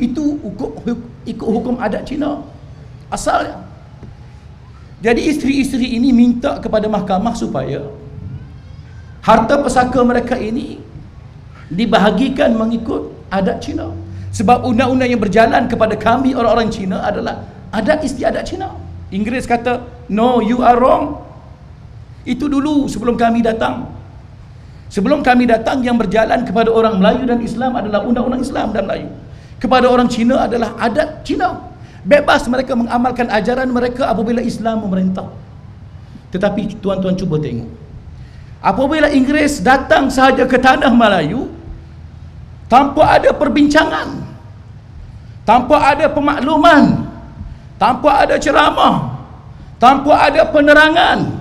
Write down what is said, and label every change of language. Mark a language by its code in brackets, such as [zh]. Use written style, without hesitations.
[ms] Itu ikut hukum adat Cina asalnya. Jadi isteri-isteri ini minta kepada mahkamah supaya harta pusaka mereka ini dibahagikan mengikut adat Cina. Sebab undang-undang yang berjalan kepada kami orang-orang Cina adalah adat istiadat Cina. Inggeris kata, [en] no, you are wrong. [ms] Itu dulu sebelum kami datang. Sebelum kami datang, yang berjalan kepada orang Melayu dan Islam adalah undang-undang Islam dan Melayu. Kepada orang Cina adalah adat Cina. Bebas mereka mengamalkan ajaran mereka apabila Islam memerintah. Tetapi tuan-tuan cuba tengok. Apabila Inggeris datang sahaja ke tanah Melayu, tanpa ada perbincangan, tanpa ada pemakluman, tanpa ada ceramah, tanpa ada penerangan,